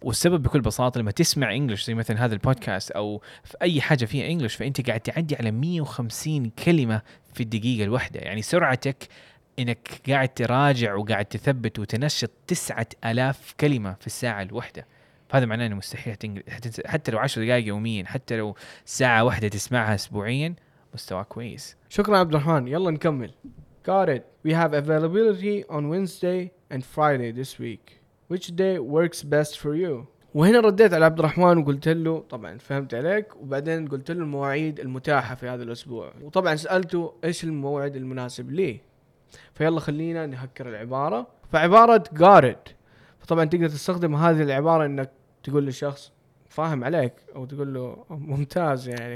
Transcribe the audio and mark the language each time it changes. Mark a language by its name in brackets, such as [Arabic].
[Arabic] والسبب بكل بساطه لما تسمع انجلش زي مثلا هذا البودكاست او في اي حاجه فيها انجلش فانت قاعد تعدي على 150 كلمه في الدقيقه الواحده, يعني سرعتك إنك قاعد تراجع وقاعد تثبت وتنشط 9000 كلمة في الساعة الواحدة. فهذا معناه إنه مستحيل حتى لو 10 دقائق يومياً، حتى لو ساعة واحدة تسمعها أسبوعياً، مستوى كويس. شكرا عبد الرحمن، يلا نكمل. [English] Got it. We have availability on Wednesday and Friday this week. Which day works best for you? [Arabic] وهنا رديت على عبد الرحمن وقلت له طبعا فهمت عليك، وبعدين قلت له المواعيد المتاحة في هذا الأسبوع، وطبعا سألته إيش الموعد المناسب لي. فيلا خلينا نهكر العبارة. فعبارة [English] got it، [Arabic] فطبعا تقدر تستخدم هذه العبارة إنك تقول للشخص فاهم عليك، أو تقول له ممتاز، يعني